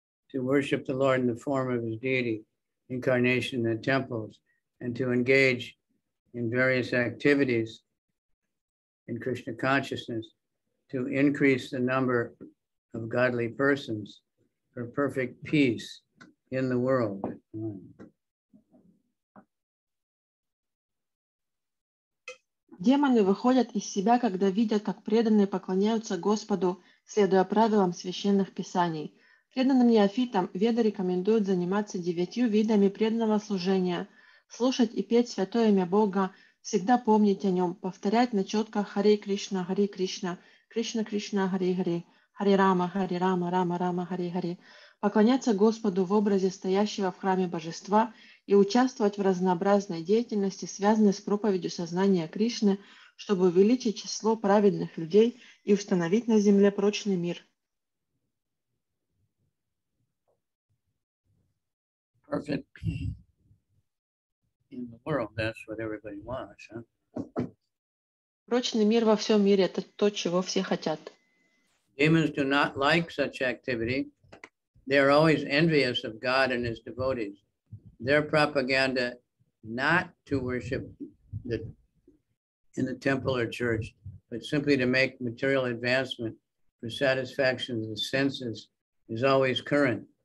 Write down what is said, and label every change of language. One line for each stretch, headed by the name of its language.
English: To worship the Lord in the form of his deity, incarnation in the temples, and to engage in various activities in Krishna consciousness to increase the number of godly persons for perfect peace in the world.
Russian: Демоны выходят из себя, когда видят, как преданные поклоняются Господу, следуя правилам священных писаний. Преданным неофитам веды рекомендуют заниматься 9 видами преданного служения, слушать и петь святое имя Бога, всегда помнить о нем, повторять на четках Харе Кришна, Харе Кришна, Кришна Кришна, Харе Харе, Харе Рама, Харе Рама, Рама Рама, Харе Харе, поклоняться Господу в образе стоящего в храме Божества и участвовать в разнообразной деятельности, связанной с проповедью сознания Кришны, чтобы увеличить число праведных людей и установить на земле прочный мир.
English: Perfect in the world, that's what everybody wants, huh?
Russian: Прочный мир во всем мире — это то, чего все хотят.
English: Demons do not like such activity. They are always envious of God and his devotees. Their propaganda not to worship in the temple or church, but simply to make material advancement for satisfaction of the senses is always current.